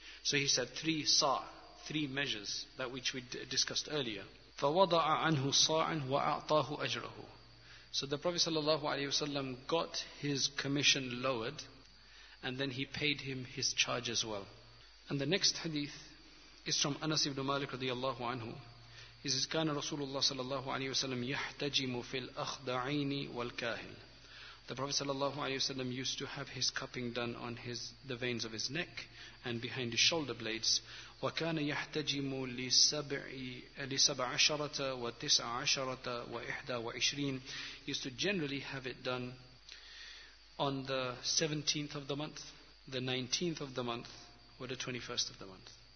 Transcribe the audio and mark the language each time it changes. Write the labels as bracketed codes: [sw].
[en] So he said, three sa', three measures, that which we discussed earlier. [ar] فَوَضَعَ عَنْهُ صَاعًا وَأَعْطَاهُ أَجْرَهُ. [en] So the Prophet sallallahu alaihi wasallam got his commission lowered, and then he paid him his charge as well. And the next hadith is from Anas ibn Malik radiyallahu anhu. He says, [ar] كَانَ رَسُولُ اللَّهِ صَلَى اللَّهُ عَلَيْهِ وَسَلَّمْ يَحْتَجِمُ فِي الْأَخْدَعِينِ وَالْكَاهِلِ. [en] The Prophet sallallahu alayhi wasallam used to have his cupping done on the veins of his neck and behind his shoulder blades. [ar] وَكَانَ يَحْتَجِمُ لِسَبْعَشَرَةَ وَتِسْعَشَرَةَ وَإِحْدَى وَعِشْرِينَ. [en] He used to generally have it done on the 17th of the month, the 19th of the month, or the 21st of the month.